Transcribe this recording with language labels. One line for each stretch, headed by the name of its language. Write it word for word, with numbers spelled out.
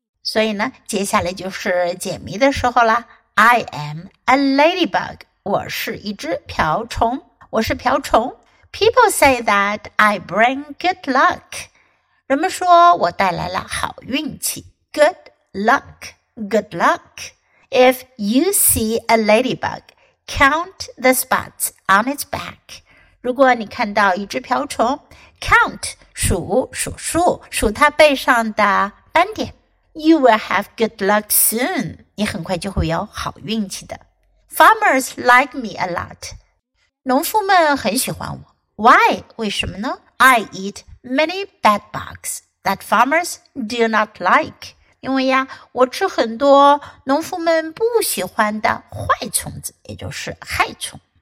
Chinese: 所以呢，接下来就是解谜的时候啦。
English: I am a ladybug.
Chinese: 我是一只瓢虫。我是瓢虫。
English: People say that I bring good luck.
Chinese: 人们说我带来了好运气。
English: Good luck. Good luck. If you see a ladybug,Count the spots on its back.
Chinese: 如果你看到一只瓢虫 count 数数数数它背上的斑点
English: You will have good luck soon.
Chinese: 你很快就会有好运气的。
English: Farmers like me a lot.
Chinese: 农夫们很喜欢我
English: Why?
Chinese: 为什么呢
English: I eat many bad bugs that farmers do not like.
Chinese: 因为呀，我吃很多农夫们不喜欢的坏虫子，也就是害虫。